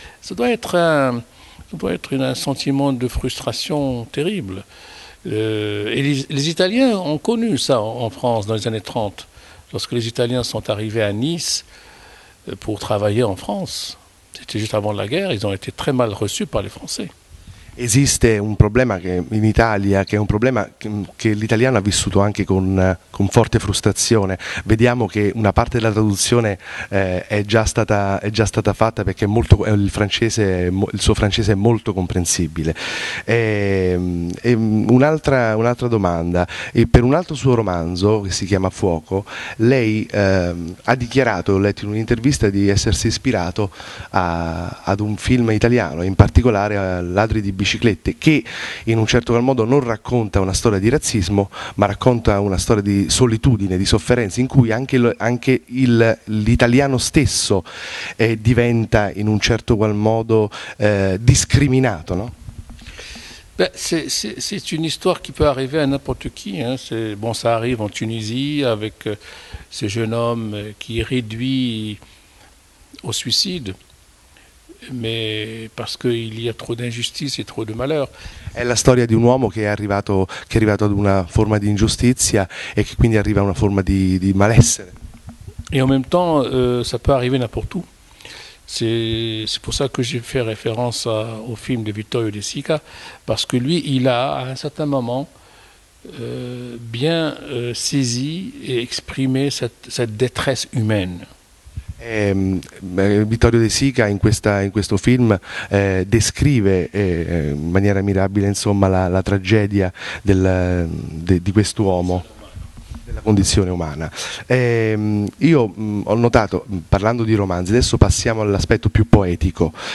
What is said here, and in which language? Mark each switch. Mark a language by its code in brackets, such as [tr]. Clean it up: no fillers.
[fr] Ça doit être un sentiment de frustration terrible. Et les Italiens ont connu ça en France dans les années 30, lorsque les Italiens sont arrivés à Nice pour travailler en France. C'était juste avant la guerre, ils ont été très mal reçus par les Français. [it] Esiste un problema che in Italia, che è un problema che l'italiano ha vissuto anche con forte frustrazione. Vediamo che una parte della traduzione è già stata fatta, perché il suo francese è molto comprensibile. E un'altra domanda, e per un altro suo romanzo che si chiama Fuoco, lei ha dichiarato, ho letto in un'intervista, di essersi ispirato ad un film italiano, in particolare a Ladri di Biciclette, che in un certo qual modo non racconta una storia di razzismo, ma racconta una storia di solitudine, di sofferenza, in cui anche l'italiano stesso diventa in un certo qual modo discriminato, no? [fr] C'est une histoire qui peut arriver à n'importe qui. Hein. Ça arrive en Tunisie avec ce jeune homme qui est réduit au suicide. Mais parce qu'il y a trop d'injustice et trop de malheur. [it] È la storia di un uomo che è arrivato ad una forma di ingiustizia e che quindi arriva a una forma di malessere. [fr] Et en même temps, ça peut arriver n'importe où. C'est pour ça que j'ai fait référence au film de Vittorio De Sica, parce que lui, il a à un certain moment bien saisi et exprimé cette détresse humaine. [it] Vittorio De Sica in questo film descrive in maniera mirabile, insomma, la tragedia di quest'uomo, della condizione umana. Io ho notato, parlando di romanzi, adesso passiamo all'aspetto più poetico.